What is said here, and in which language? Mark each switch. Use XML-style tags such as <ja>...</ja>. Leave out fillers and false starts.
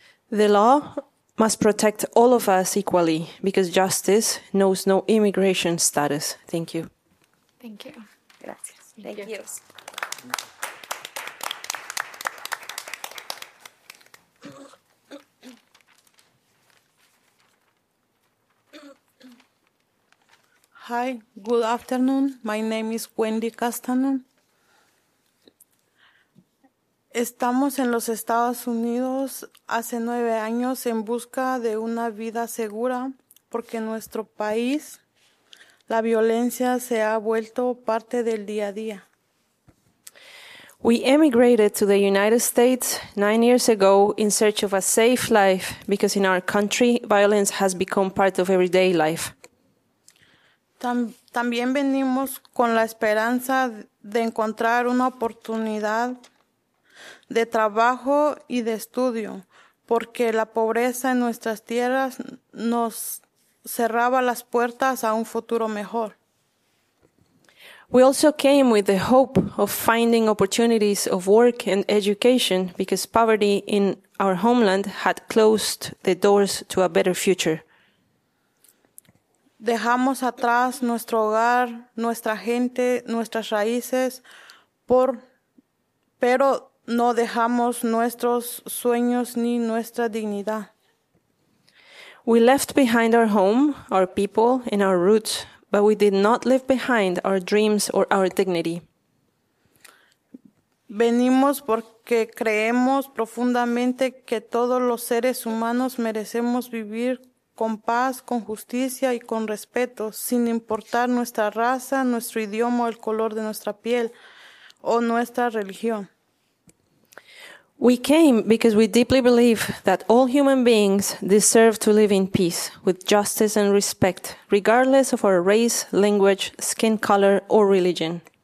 <en>The law must protect all of us equally, because justice knows no immigration status. Thank you. Thank you.</en> <es>Gracias.</es> <en>Thank you. Hi, good afternoon. My name is Wendy Castanon.</en> <es>Estamos en los Estados Unidos hace 9 años en busca de una vida segura porque en nuestro país la violencia se ha vuelto parte del día a día.</es> <en>We emigrated to the United States 9 years ago in search of a safe life because in our country violence has become part of everyday life.</en> <es>También venimos con la esperanza de encontrar una oportunidad de trabajo y de estudio, porque la pobreza en nuestras tierras nos cerraba las puertas a un futuro mejor.</es> <en>We also came with the hope of finding opportunities of work and education because poverty in our homeland had closed the doors to a better future.</en> <es>Dejamos atrás nuestro hogar, nuestra gente, nuestras raíces, pero no dejamos nuestros sueños ni nuestra dignidad.</es> <en>We left behind our home, our people, and our roots, but we did not leave behind our dreams or our dignity.</en> <es>Venimos porque creemos profundamente que todos los seres humanos merecemos vivir con paz, con justicia y con respeto, sin importar nuestra raza, nuestro idioma, el color de nuestra piel o nuestra religión.</es> <en>We came because we deeply believe that all human beings deserve to live in peace, with justice and respect, regardless of our race, language, skin color, or religion.</en>